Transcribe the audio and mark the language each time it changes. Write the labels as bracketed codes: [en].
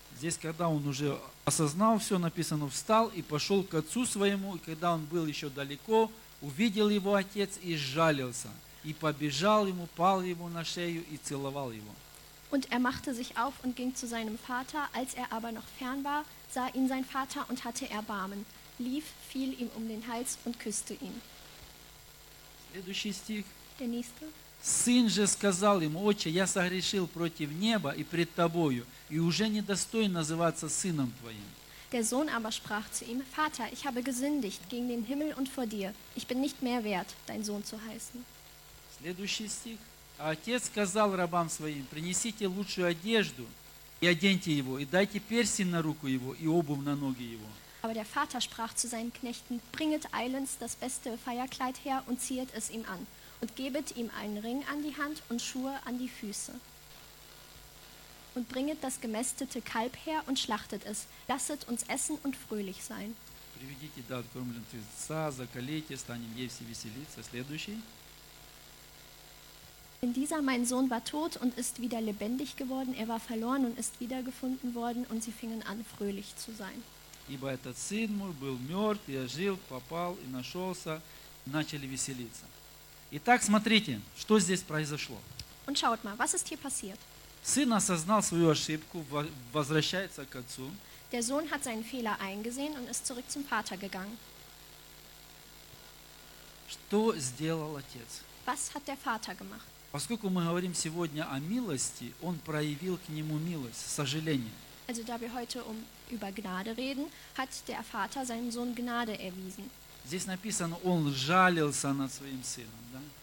[ru] Здесь, когда он уже осознал все написано, встал и пошел к отцу своему, и когда он был еще далеко, увидел его отец и сжалился, и побежал ему, пал ему на шею и целовал его. [de] Und er machte sich auf und ging zu seinem Vater, als er aber noch fern war, sah ihn sein Vater und hatte Erbarmen, lief, fiel ihm um den Hals und küsste ihn. [ru] Следующий стих. [de] Der nächste. [ru] Сын же сказал ему: «Отче, я согрешил против неба и пред тобою, и уже не достоин называться сыном твоим». [de] Der Sohn aber sprach zu ihm: «Vater, ich habe gesündigt gegen den Himmel und vor dir. Ich bin nicht mehr wert, dein Sohn zu heißen». [ru] Следующий стих. «А отец сказал рабам своим: «Принесите лучшую одежду и оденьте его, и дайте перстень на руку его и обувь на ноги его». [de] Aber der Vater sprach zu seinen Knechten: «Bringet eilends das beste Feierkleid her und ziehet es ihm an, und gebet ihm einen Ring an die Hand und Schuhe an die Füße. Und bringet das gemästete Kalb her und schlachtet es. Lasset uns essen und fröhlich sein». [ru] Приведите да откормленного тельца, закалите, станем есть и веселиться. Следующий. [de] Denn dieser mein Sohn war tot und ist wieder lebendig geworden. Er war verloren und ist wiedergefunden worden. Und sie fingen an, fröhlich zu sein. [ru] Ибо этот сын мой был мертв, и ожил, попал и нашелся, и начали веселиться. Итак, смотрите, что здесь произошло. [de] Und schaut mal, was ist hier passiert? [ru] Сын осознал свою ошибку, возвращается к отцу. [de] Der Sohn hat seinen Fehler eingesehen und ist zurück zum Vater gegangen. [ru] Что сделал отец? [de] Was hat der Vater gemacht? [ru] Поскольку мы говорим сегодня о милости, он проявил к нему милость, сожаление. [de] Also da wir heute über Gnade reden, hat der Vater seinem Sohn Gnade erwiesen. [ru] Здесь написано, он жалился над своим сыном, да?